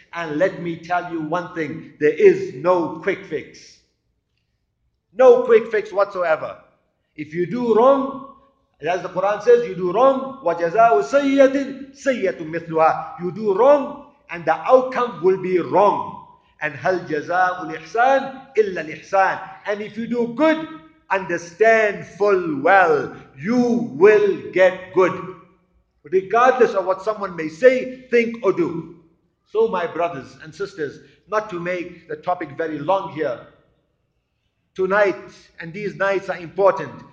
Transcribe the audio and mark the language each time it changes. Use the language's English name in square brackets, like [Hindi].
[English] And let me tell you one thing, there is no quick fix. No quick fix whatsoever. If you do wrong, as the Quran says, you do wrong, [Arabic] وَجَزَاءُ سَيِّئَةٍ سَيِّئَةٌ مِثْلُهَا. [English] You do wrong, and the outcome will be wrong. And [Arabic] هَلْ جَزَاءُ الْإِحْسَانِ إِلَّا الْإِحْسَانِ. [English] And if you do good, understand full well, you will get good. Regardless of what someone may say, think or do. So my brothers and sisters, not to make the topic very long here, tonight and these nights are important.